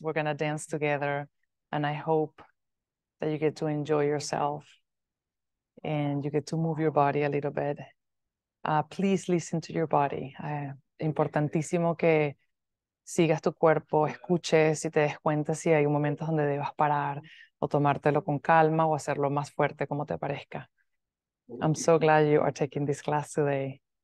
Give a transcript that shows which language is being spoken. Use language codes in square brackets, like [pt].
[en] We're gonna dance together, and I hope that you get to enjoy yourself and you get to move your body a little bit. Please listen to your body. [es] Importantísimo que sigas tu cuerpo, escuches y te des cuenta si hay momentos donde debas parar o tomártelo con calma o hacerlo más fuerte como te parezca. [en] I'm so glad you are taking this class today.